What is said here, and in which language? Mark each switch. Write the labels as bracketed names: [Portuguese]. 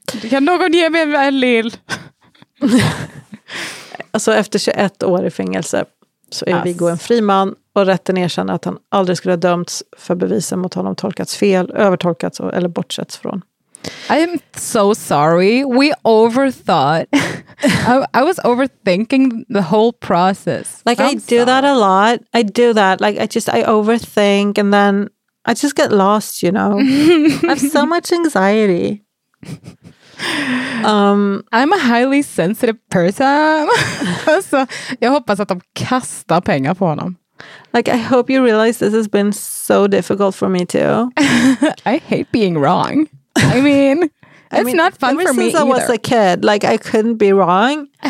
[Swedish] Kan någon ge mig en lel? Alltså efter 21 år i fängelse så är Viggo en fri man. Och rätten erkänner att han aldrig skulle ha dömts för bevisen mot honom tolkats fel, övertolkats eller bortsätts från. [English] I'm so sorry. We overthought. I was overthinking the whole process. Like, I'm I do sorry. That a lot. I do that. Like, I overthink and then I just get lost, you know. I have so much anxiety. I'm a highly sensitive person. [Swedish] Så jag hoppas att de kastar pengar på honom. [English] Like, I hope you realize this has been so difficult for me too. I hate being wrong. I mean, not fun for me either. Ever since I was a kid, like, I couldn't be wrong.